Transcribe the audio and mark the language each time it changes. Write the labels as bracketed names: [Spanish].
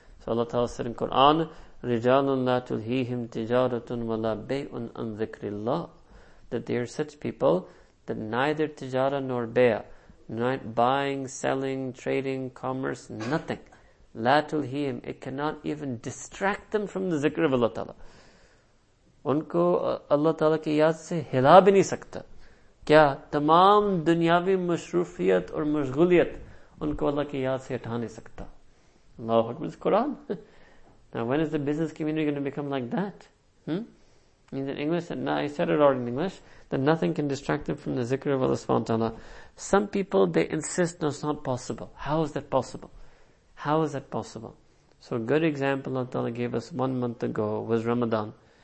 [English] So Allah Ta'ala said in Quran, [Arabic] رِجَالٌ لَا تُلْهِيهِمْ تِجَارَةٌ وَلَا بَيْءٌ أَنْ ذِكْرِ اللَّهِ. [English] That they are such people that neither tijara nor baya, not buying, selling, trading, commerce, nothing. [Arabic] La tulhim, [English] it cannot even distract them from the zikr of Allah Ta'ala. [Urdu] انکو اللہ تعالیٰ کی یاد سے ہلا بھی نہیں سکتا۔ Kya? تمام دنیوی مصروفیات اور مشغولیات انکو اللہ کی یاد سے ہٹا نہیں سکتا۔ [English] Allahu Akbar, it's Quran. Now when is the business community going to become like that? Means in English, and I said it already in English, that nothing can distract them from the zikr of Allah subhanahu wa ta'ala. Some people, they insist, no, it's not possible. How is that possible? How is that possible? So a good example Allah ta'ala gave us 1 month ago was Ramadan.